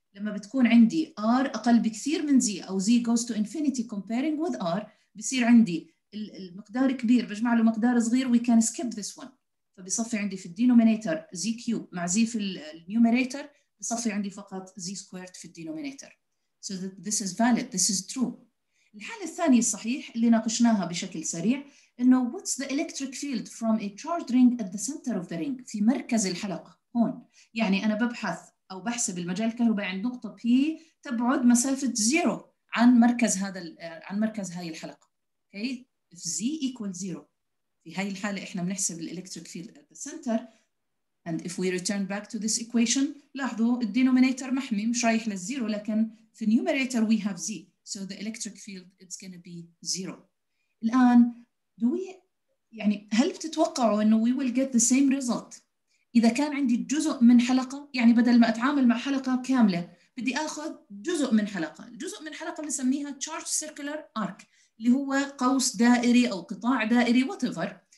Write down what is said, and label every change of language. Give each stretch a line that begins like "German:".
Arabic: لما بتكون عندي R أقل بكثير من Z أو
English: Z goes to infinity comparing with R،
Arabic: بصير عندي المقدار كبير بجمع له مقدار صغير،
English: we can skip this one.
Arabic: فبصفي عندي في الدينومينيتر Z كيوب مع Z في النيومينيتر، بصفي عندي فقط z squared في الدينومينيتر.
English: So that this is valid, this is true.
Arabic: الحالة الثانية الصحيح اللي ناقشناها بشكل سريع إنه
English: what's the electric field from a charged ring at the center of the ring،
Arabic: في مركز الحلقة هون. يعني أنا ببحث أو بحسب المجال الكهربائي عند نقطة P تبعد مسافة zero عن مركز هذا عن مركز هاي الحلقة. Okay؟
English: If z equals zero،
Arabic: في هاي الحالة إحنا بنحسب الالكتريك فيلد
English: at the center. And if we return back to this equation,
Arabic: لاحظوا الدينومينيتر محمي مش رايح للزيرو، لكن في النيومينيتر
English: we have z. So the electric field it's going to be zero.
Arabic: الآن do we يعني هل بتتوقعوا انه
English: we will get the same result
Arabic: إذا كان عندي جزء من حلقة؟ يعني بدل ما أتعامل مع حلقة كاملة بدي آخذ جزء من حلقة. الجزء من حلقة بنسميها charged circular arc، اللي هو قوس دائري أو قطاع دائري whatever.